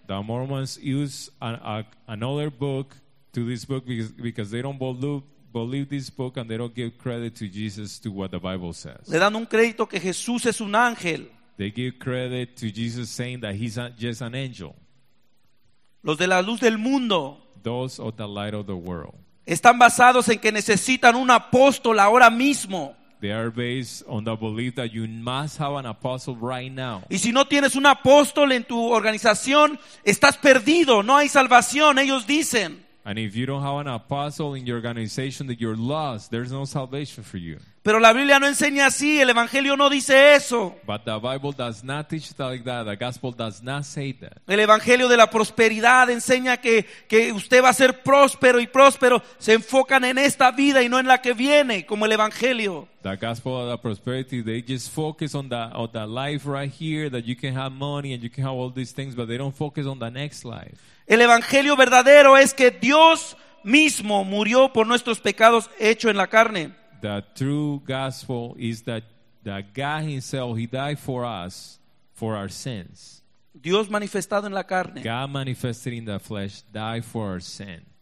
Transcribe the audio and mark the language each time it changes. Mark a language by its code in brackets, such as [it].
[en] The Mormons use another book to this book because they don't believe this book and they don't give credit to Jesus to what the Bible says. [es] Le dan un crédito que Jesús es un ángel. [en] They give credit to Jesus saying that he's just an angel. [es] Los de la luz del mundo. [en] Those of the light of the world. [es] Están basados en que necesitan un apóstol ahora mismo. [en] They are based on the belief that you must have an apostle right now. [es] Y si no tienes un apóstol en tu organización, estás perdido. No hay salvación, ellos dicen. [en] And if you don't have an apostle in your organization, that you're lost, there's no salvation for you. [es] Pero la Biblia no enseña así, el Evangelio no dice eso. [en] But the Bible does not teach that like that. The gospel does not say that. [es] El Evangelio de la prosperidad enseña que usted va a ser próspero y próspero. Se enfocan en esta vida y no en la que viene, como el Evangelio. [en] The gospel of the prosperity, they just focus on the life right here, that you can have money and you can have all these things, but they don't focus on the next life. [es] El Evangelio verdadero es que Dios mismo murió por nuestros pecados hecho en la carne. [en] The true gospel is that that God himself, he died for us, for our sins. [es] Dios manifestado en la carne. [en] God manifested in the flesh, died for our sin.